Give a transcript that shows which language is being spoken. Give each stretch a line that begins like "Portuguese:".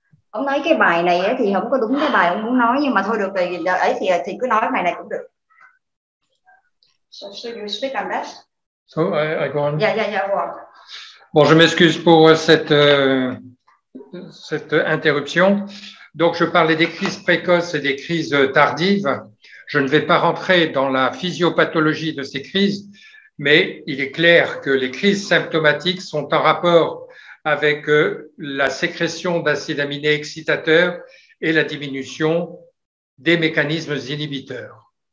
Vietnamese: Ông nói cái bài này thì không có đúng cái bài ông muốn nói, nhưng mà thôi được rồi, thì ấy thì cứ nói bài này cũng được.
English: So you speak on that? So I go on. Yeah, go on.
French: Bon, je m'excuse pour cette interruption. Donc, je parlais des crises précoces et des crises tardives. Je ne vais pas rentrer dans la physiopathologie de ces crises, mais il est clair que les crises symptomatiques sont en rapport avec la sécrétion d'acides aminés excitateurs et la diminution des mécanismes inhibiteurs.